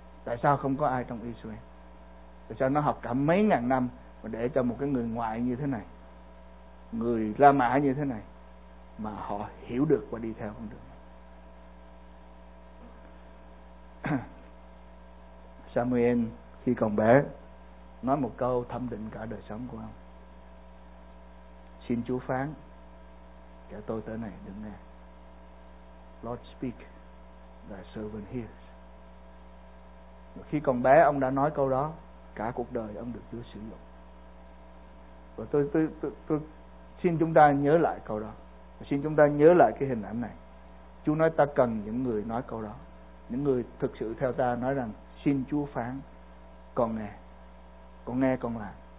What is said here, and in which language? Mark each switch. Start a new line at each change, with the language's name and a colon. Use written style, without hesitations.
Vietnamese: Tại sao không có ai trong Israel? Tại sao nó học cả mấy ngàn năm mà để cho một cái người ngoại như thế này, người La Mã như thế này, mà họ hiểu được và đi theo con đường này? Samuel khi còn bé nói một câu thẩm định cả đời sống của ông. Xin Chúa phán, kẻ tôi tới này đứng nghe.
English: Lord speak, thy servant hears.
Vietnamese: Khi còn bé ông đã nói câu đó, cả cuộc đời ông được Chúa sử dụng. Và tôi xin chúng ta nhớ lại câu đó. Và xin chúng ta nhớ lại cái hình ảnh này. Chúa nói ta cần những người nói câu đó, những người thực sự theo ta nói rằng xin Chúa phán, con nghe, con nghe con làm.